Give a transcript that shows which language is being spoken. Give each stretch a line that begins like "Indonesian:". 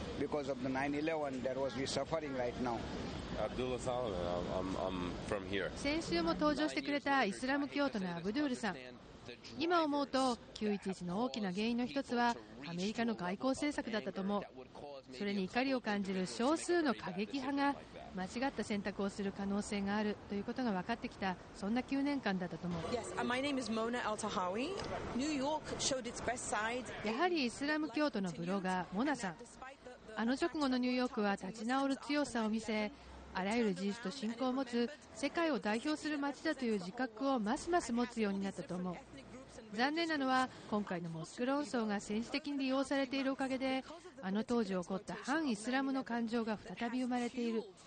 English: Because of the 9/11 that was we suffering right now. Abdullah Salman, I'm from here.
Japanese: 先週も登場してくれたイスラム教徒のアブドゥールさん。今思うと911の大きな原因の一つはアメリカの外交政策だったと思う。それに怒りを感じる少数の過激派が間違った選択をする可能性があるということが分かってきた、そんな9年間だったと思う。
English: Yes, my name is Mona Al-Tahawi. New York showed its best side.
Japanese: やはりイスラム教徒のブロガーモナさん、あの直後のニューヨークは立ち直る強さを見せ、あらゆる自由と信仰を持つ世界を代表する街だという自覚をますます持つようになったと思う。残念なのは今回のモスク論争が政治的に利用されているおかげで、あの当時起こった反イスラムの感情が再び生まれている。